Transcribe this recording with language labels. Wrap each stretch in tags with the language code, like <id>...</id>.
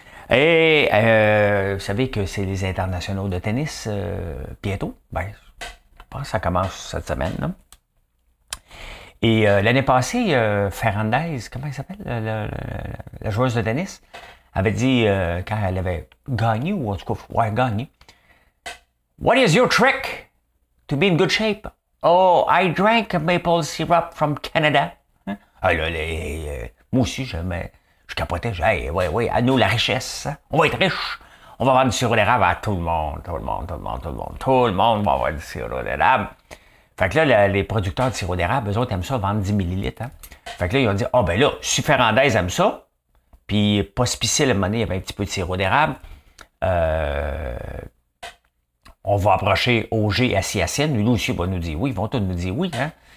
<fr>Et vous savez que c'est les internationaux de tennis bientôt. Ben, je pense que ça commence cette semaine. Là. Et l'année passée, Fernandez, comment elle s'appelle, la joueuse de tennis, avait dit quand elle avait gagné, ou en tout cas, ouais, gagné.</fr> <en>What is your trick to be in good shape? Oh, I drank maple syrup from Canada.</en> <fr>Hein? Ah là, moi aussi, j'aimais. Je capotais, j'ai dit, hey, oui, à nous la richesse. On va être riche. On va vendre du sirop d'érable à tout le monde. Tout le monde va avoir du sirop d'érable. Fait que là, les producteurs de sirop d'érable, eux autres aiment ça, vendre 10 millilitres. Hein. Fait que là, ils ont dit, ah ben là, si Ferrandez aime ça, puis Pospisil, à un moment donné, il y avait un petit peu de sirop d'érable, on va approcher OG à CSN. Lui aussi, il va nous dire oui. Ils vont tous nous dire oui. Hein.</fr>